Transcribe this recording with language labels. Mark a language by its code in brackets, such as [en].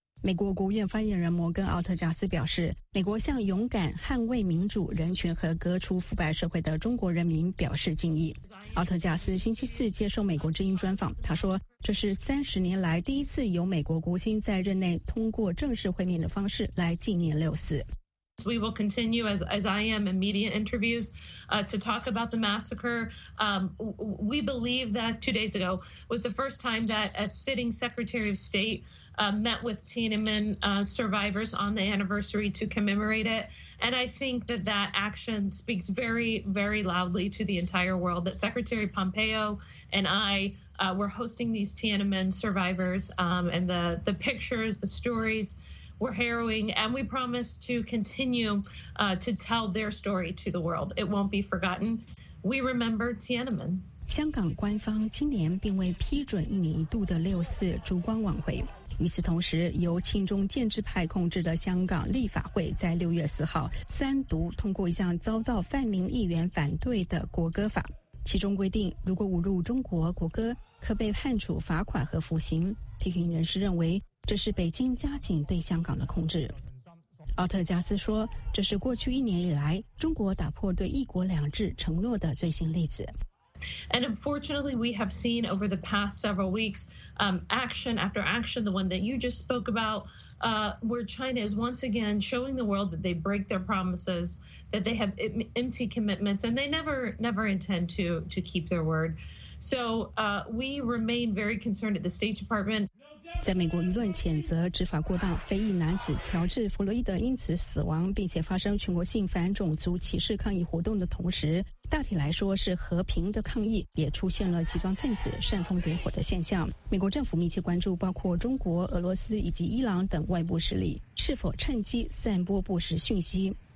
[zh] 美国国务院发言人摩根奥特加斯表示，美国向勇敢捍卫民主、人权和革除腐败社会的中国人民表示敬意。奥特加斯星期四接受美国之音专访，他说，这是30年来第一次由美国国务卿在任内通过正式会面的方式来纪念六四。 [en] We will continue as I am in media interviews to talk about the massacre. We believe that 2 days ago was the first time that a sitting Secretary of State met with Tiananmen survivors on the anniversary to commemorate it. And I think that that action speaks very, very loudly to the entire world that Secretary Pompeo and I were hosting these Tiananmen survivors and the pictures, the stories. We're harrowing, and we promise to continue to tell their story to the world. It won't be forgotten. We remember Tiananmen. [zh] 香港官方今年并未批准一年一度的六四烛光晚会。与此同时，由亲中建制派控制的香港立法会在6月4号三读通过一项遭到泛民议员反对的国歌法，其中规定，如果侮辱中国国歌，可被判处罚款和服刑。批评人士认为，这是北京加紧对香港的控制。奥特加斯说，这是过去一年以来中国打破对一国两制承诺的最新例子。 [en] And unfortunately, we have seen over the past several weeks, action after action, the one that you just spoke about, where China is once again showing the world that they break their promises, that they have empty commitments, and they never intend to keep their word. So we remain very concerned at the State Department. [zh] 在美国舆论谴责执法过当，非裔男子乔治·弗洛伊德因此死亡，并且发生全国性反种族歧视抗议活动的同时，大体来说是和平的抗议，也出现了极端分子煽风点火的现象。美国政府密切关注包括中国、俄罗斯以及伊朗等外部势力是否趁机散播不实讯息。